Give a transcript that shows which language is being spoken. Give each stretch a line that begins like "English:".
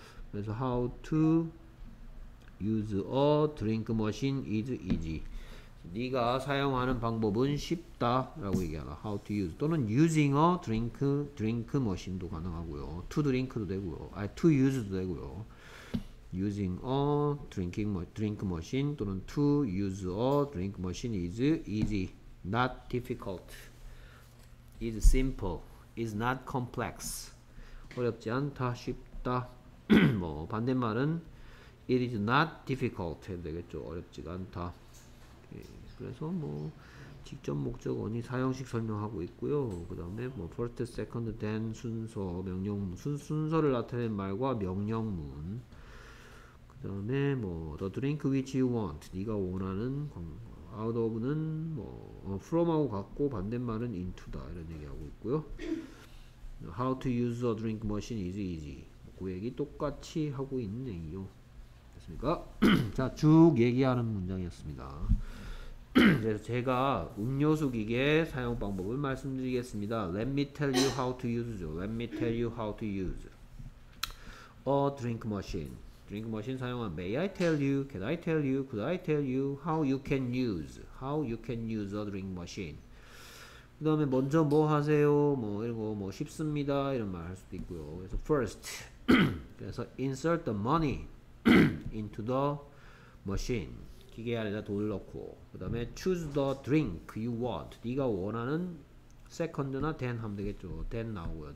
English: 그래서 how to use a drink machine is easy.
Korean: 네가 사용하는 방법은 쉽다 라고 얘기하라.
English: How to use
Korean: 또는
English: using a drink machine도
Korean: 가능하고요.
English: To drink도
Korean: 되고요. 아니
English: to use도
Korean: 되고요.
English: Using a drink machine 또는 to use a drink machine is easy. Not difficult. Is simple. Is not complex.
Korean: 어렵지 않다. 쉽다. 뭐 반대말은
English: It is not difficult
Korean: 해도 되겠죠. 어렵지가 않다. 그래서 뭐 직접 목적어니 사용식 설명하고 있고요. 그 다음에 뭐 first, second, then 순서 명령 순서를 나타낸 말과 명령문. 그 다음에 뭐
English: the drink which you want
Korean: 네가 원하는 out of는 뭐 from하고 같고 반대말은 into다 이런 얘기하고 있고요.
English: How to use a drink machine is easy.
Korean: 그 얘기 똑같이 하고 있네요. 됐습니까? 자, 쭉 얘기하는 문장이었습니다. 그래서 제가 음료수 기계 사용 방법을 말씀드리겠습니다.
English: Let me tell you how to use죠. Let me tell you how to use a drink machine. Drink machine
Korean: 사용한
English: May I tell you? Can I tell you? Could I tell you how you can use? How you can use a drink machine?
Korean: 그 다음에 먼저 뭐 하세요? 뭐 이런 거 뭐 쉽습니다. 이런 말 할 수도 있고요. 그래서 first.
English: 그래서 insert the money into the machine.
Korean: 기계 안에다 돈을 넣고 그 다음에
English: choose the drink you want
Korean: 네가 원하는 second나 then 하면 되겠죠. then 나오고요.